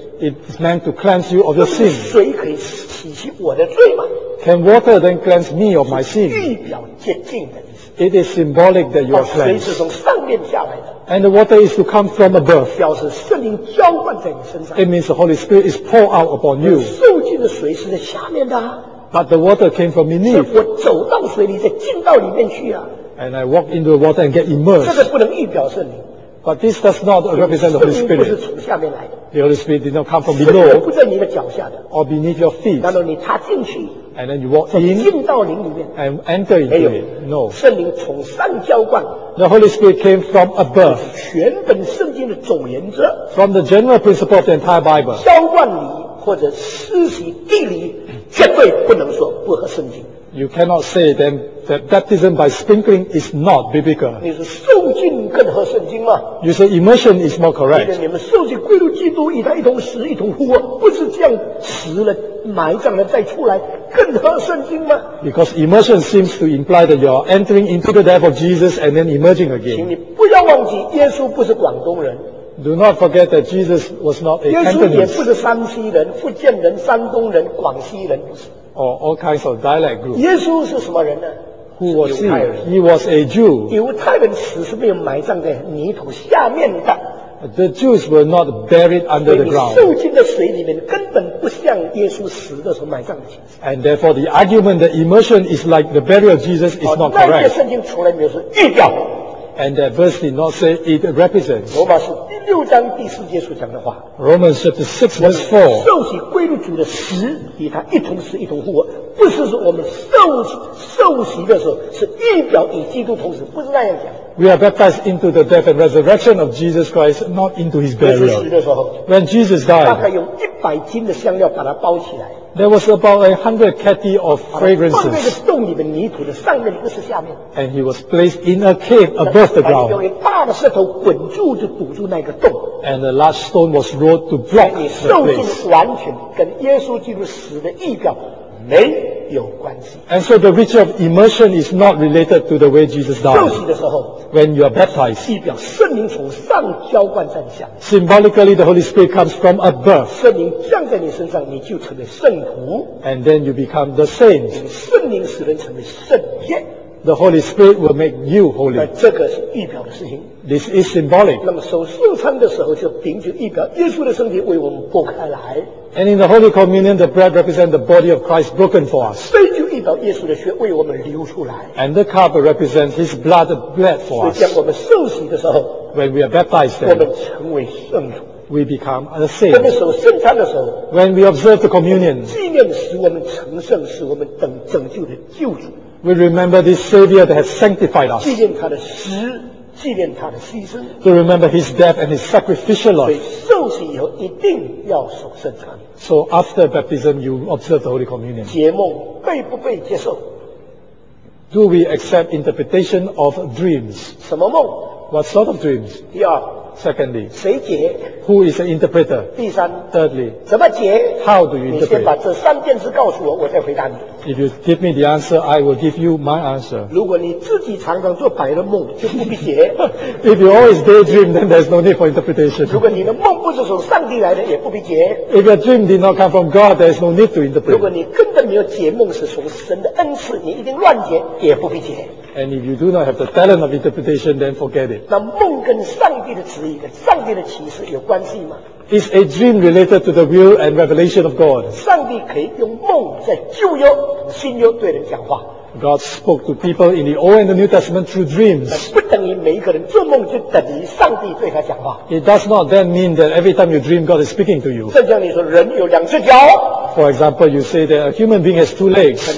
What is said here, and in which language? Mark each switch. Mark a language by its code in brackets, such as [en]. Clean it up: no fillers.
[en] It is meant to cleanse you of your sin. [zh] 水可以洗去我的罪吗？ [en] Can water then cleanse me of my sin? [zh] 预表接近的。 [en] It is symbolic that you are cleansed. [zh] 水是从上面下来的。 [en] And the water is to come from above. [zh] 表示圣灵浇灌在你身上。 [en] It means the Holy Spirit is poured out upon you. [zh] 受浸的水是在下面的。 [en] But the water came from beneath. [zh] 我走到水里，再进到里面去啊。 [en] And I walk into the water and get immersed. [zh] 这个不能预表圣灵。 [en] But this does not represent the Holy Spirit. [zh] 圣灵不是从下面来的。 [en] The Holy Spirit did not come from below. [zh] 圣灵不在你的脚下的。 [en] Or beneath your feet. [zh] 然后你踏进去。 [en] And then you walk in. [zh] 进到灵里面。 [en] And enter into it. No. [zh] 圣灵从上浇灌。 [en] The Holy Spirit came from above. [zh] 全本圣经的总原则。 [en] From the general principle of the entire Bible. [zh] 浇灌你或者施洗地里。绝对不能说不合圣经。 [en] You cannot say then that baptism by sprinkling is not biblical. [zh] 你说受浸更合圣经吗？ [en] You say immersion is more correct. [zh] 你们受浸归入基督，与他一同死，一同复活，不是这样死了埋葬了再出来更合圣经吗？ [en] Because immersion seems to imply that you are entering into the death of Jesus and then emerging again. [zh] 请你不要忘记，耶稣不是广东人。 [en] Do not forget that Jesus was not a Cantonese. [zh] 耶稣也不是山西人、福建人、山东人、广西人。 [en] Or all kinds of dialect groups. [zh] 耶稣是什么人呢？ [en] Who was he? He was a Jew. [zh] 犹太人死是没有埋葬在泥土下面的。 [en] The Jews were not buried under the ground. [zh] 受浸的水里面根本不像耶稣死的时候埋葬的情形。 [en] And therefore the argument that immersion is like the burial of Jesus is not correct. [zh] 那些圣经从来没有说预表。 [en] And that verse did not say it represents. [zh] 罗马书第六章第四节所讲的话。 [en] Romans chapter 6 verse 4. [zh] 受洗归入主的死，与他一同死，一同复活，不是说我们受洗的时候是预表与基督同死，不是那样讲。 [en] We are baptized into the death and resurrection of Jesus Christ, not into his burial. [zh] 耶稣死的时候。 [en] When Jesus died. [zh] 大概用100斤的香料把它包起来。 [en] There was about 100 catty of fragrances. [zh] 放在那个洞里面泥土的上面，不是下面。 [en] And he was placed in a cave above the ground. [zh] 用一大的石头滚住，就堵住那个洞。 [en] And a large stone was rolled to block the place. [zh] 受浸完全跟耶稣基督死的预表没有关系。 [en] And so the ritual of immersion is not related to the way Jesus died. [zh] 受洗的时候。 [en] When you are baptized, [zh] 预表圣灵从上浇灌在下。 [en] Symbolically, the Holy Spirit comes from above. [zh] 圣灵降在你身上，你就成为圣徒。 [en] And then you become the saint. [zh] 圣灵使人成为圣洁。 [en] The Holy Spirit will make you holy. [zh] 那这个是预表的事情。 [en] This is symbolic. [zh] 那么受圣餐的时候，就饼就预表耶稣的身体为我们擘开来。 [en] And in the Holy Communion, the bread represents the body of Christ broken for us. [zh] 杯就预表耶稣的血为我们流出来。 [en] And the cup represents His blood bled for us. [zh] 所以当我们受洗的时候 [en] ，When we are baptized, [zh] 我们成为圣徒。 [en] We become a saint. [zh] 我们守圣餐的时候 [en] ，When we observe the communion, [zh] 纪念使我们成圣，使我们等拯救的救主。 [en] We remember this Savior that has sanctified us. [zh] 纪念他的死。纪念他的牺牲。 [en] To remember his death and his sacrificial life. [zh] 所以受洗以后一定要守圣餐。 [en] So after baptism, you observe the Holy Communion. [zh] 解梦被不被接受？ [en] Do we accept interpretation of dreams? [zh] 什么梦？ [en] What sort of dreams? [zh] 第二。 [en] Secondly. [zh] 谁解？ [en] Who is the interpreter? [zh] 第三。 [en] Thirdly. [zh] 怎么解？ [en] How do you interpret? [zh] 你先把这三件事告诉我，我再回答你。 [en] If you give me the answer, I will give you my answer. [zh] 如果你自己常常做白日梦，就不必解。 [en] If you always daydream, then there's no need for interpretation. [zh] 如果你的梦不是从上帝来的，也不必解。 [en] If your dream did not come from God, there's no need to interpret. [zh] 如果你根本没有解梦是从神的恩赐，你一定乱解，也不必解。 [en] And if you do not have the talent of interpretation, then forget it. [zh] 那梦跟上帝的旨意、上帝的启示有关系吗？ [en] Is a dream related to the will and revelation of God? [zh] 上帝可以用梦在旧约、新约对人讲话。 [en] God spoke to people in the Old and the New Testament through dreams. [zh] 不等于每一个人做梦就等于上帝对他讲话。 [en] It does not then mean that every time you dream, God is speaking to you. [zh] 圣经里说人有两只脚。 [en] For example, you say that a human being has two legs.